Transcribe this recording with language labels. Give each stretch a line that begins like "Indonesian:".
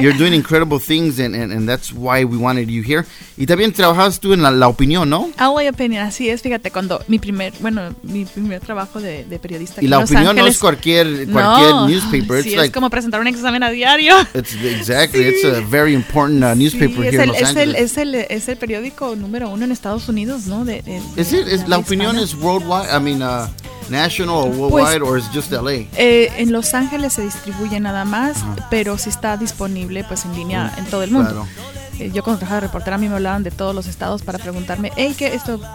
English: You're doing incredible things, and that's why we wanted you here.
Spanish: Y también trabajas tú en la opinión, ¿no? LA Opinion, así es, fíjate, cuando mi primer trabajo de periodista. Y la opinión no es cualquier newspaper. Sí, es como presentar un examen a diario.
English: Exactly, it's a very important newspaper here in Los Angeles.
Spanish: Es el periódico número uno en Estados Unidos, ¿no?
English: Is it?
Spanish: La opinión es
English: worldwide, I mean, national or worldwide, pues, or is it just LA?
Spanish: En Los Ángeles se distribuye nada más, uh-huh, pero sí está disponible pues en línea en todo el mundo. Claro. Yo cuando trabajaba de reportera, a mí me hablaban de todos los estados para preguntarme, hey, ¿qué esto?